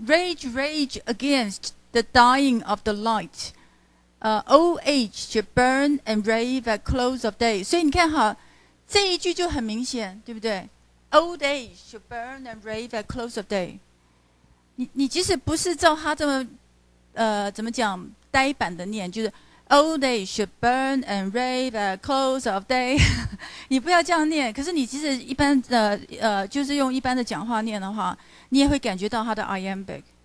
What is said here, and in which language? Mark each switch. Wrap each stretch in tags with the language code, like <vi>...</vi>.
<en>Rage rage against the dying of the light， old age to burn and rave at close of day。</en> <zh>所以你看哈，这一句就很明显，对不对？</zh> <en>Old age should burn and rave at close of day。</en> <zh>你即使不是照他这么怎么讲呆板的念，就是</zh> <en>Old age should burn and rave at close of day</en> <zh>你不要这样念，可是你即使一般的就是用一般的讲话念的话，你也会感觉到他的 iambic。</zh>